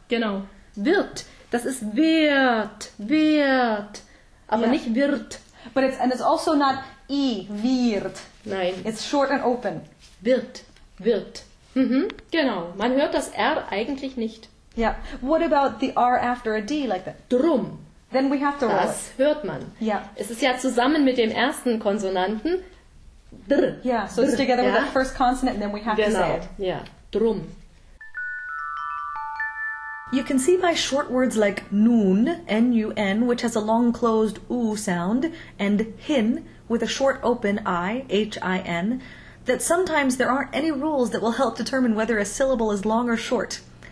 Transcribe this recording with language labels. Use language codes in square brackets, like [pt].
[de] Genau. Wird. Das ist wird. Wird. Aber nicht wird. [en] But it's also not I wird. [de] Nein. [en] It's short and open. [de] Wird. Wird. Mm-hmm. Genau. Man hört das R eigentlich nicht. [en] Yeah. What about the R after a D like that? [de] Drum. [en] Then we have to roll. [de] Das hört man. [en] Yeah. [de] Es ist ja zusammen mit dem ersten Konsonanten. [en] Dr. Yeah. So it's together with the first consonant, and then we have [de] genau. [en] to say it. Yeah. Drum. You can see by short words like nun, N-U-N, which has a long closed U sound, and hin, with a short open I, H-I-N, that sometimes there aren't any rules that will help determine whether a syllable is long or short.